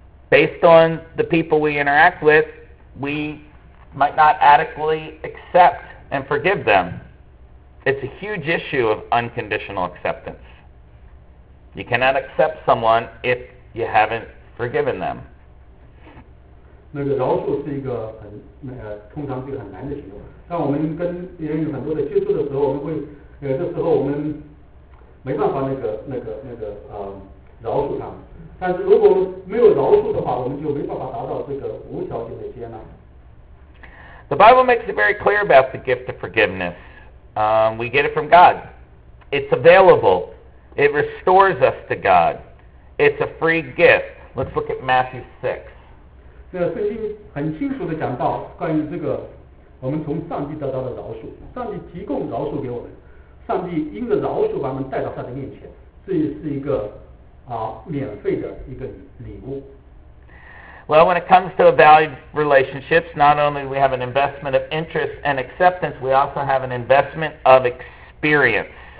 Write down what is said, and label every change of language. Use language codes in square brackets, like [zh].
[en] Based on the people we interact with, we. Might not adequately accept and forgive them. It's a huge issue of unconditional acceptance. You cannot accept someone if you haven't forgiven them. [zh] 那个饶恕是一个很通常是一个很难的行动。当我们跟别人有很多的接触的时候，我们会有的时候我们没办法饶恕他们。但是如果没有饶恕的话，我们就没办法达到这个无条件的接纳。 [en] The Bible makes it very clear about the gift of forgiveness. We get it from God. It's available. It restores us to God. It's a free gift. Let's look at Matthew 6. [zh] 那圣经很清楚地讲到关于这个我们从上帝得到的饶恕，上帝提供饶恕给我们，上帝因着饶恕把我们带到他的面前，这也是一个免费的一个礼物。 [en] Well, when it comes to valued relationships, not only do we have an investment of interest and acceptance, we also have an investment of experience.